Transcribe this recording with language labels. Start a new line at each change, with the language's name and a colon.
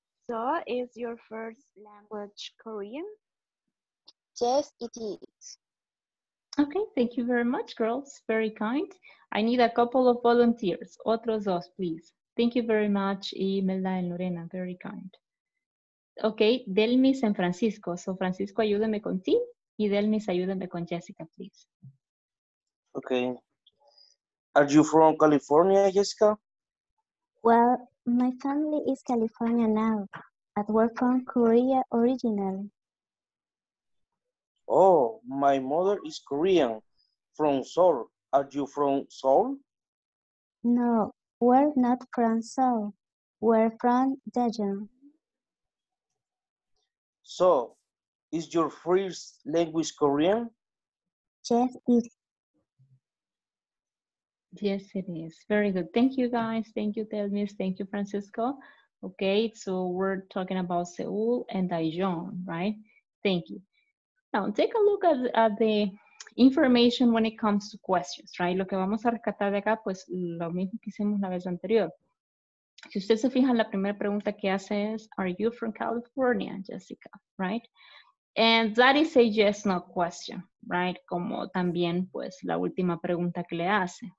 English: So is your first language Korean? Yes, it is. Okay, thank you very much, girls. Very kind. I need a couple of volunteers.
Spanish: Otros dos,
English: please. Thank you very much, Imelda and Lorena, very kind. Okay, Delmis and Francisco.
Spanish: So Francisco, ayúdame con Tim, y Delmis, ayúdame con Jessica, please.
English: Okay. Are you from California, Jessica? Well, my family is California now, but we're from Korea originally. Oh, my mother is Korean, from Seoul. Are you from Seoul? No, we're not from Seoul. We're from Daejeon. So, is your first language Korean? Yes, it is. Yes, it is. Very good. Thank you, guys. Thank you, Delmis. Thank you, Francisco. Okay, so we're talking about Seoul and Daejeon, right? Thank you. Now, take a look at the information when it comes to questions, right?
Spanish: Lo que vamos a rescatar de acá, pues lo mismo que hicimos la vez anterior. Si usted se fija, la primera pregunta que hace es,
English: are you from California, Jessica, right? And that is a yes, no question, right?
Spanish: Como también, pues, la última pregunta que le hace.